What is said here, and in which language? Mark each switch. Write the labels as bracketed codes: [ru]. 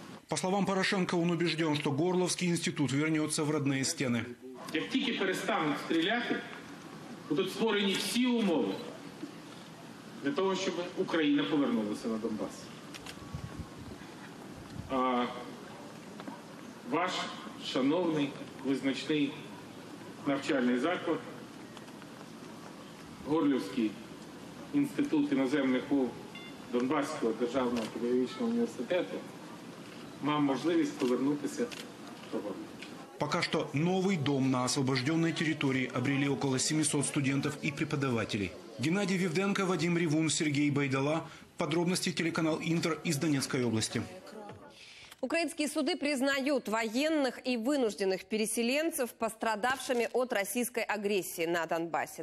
[ru] По словам Порошенко, он убежден, что Горловский институт вернется в родные стены. Как только перестанут стрелять, будут створены все условия для того, чтобы Украина повернулась на Донбасс. [uk] А ваш шановный, визначний навчальний заклад, Горлівський інститут іноземних мов Донбаського державного педагогічного університету, мав можливість повернутися до Горлівки. [ru] Пока что новый дом на освобожденной территории обрели около 700 студентов и преподавателей. Геннадий Вивденко, Вадим Ревун, Сергей Байдала. Подробности телеканал «Интер» из Донецкой области. Украинские суды признают военных и вынужденных переселенцев пострадавшими от российской агрессии на Донбассе.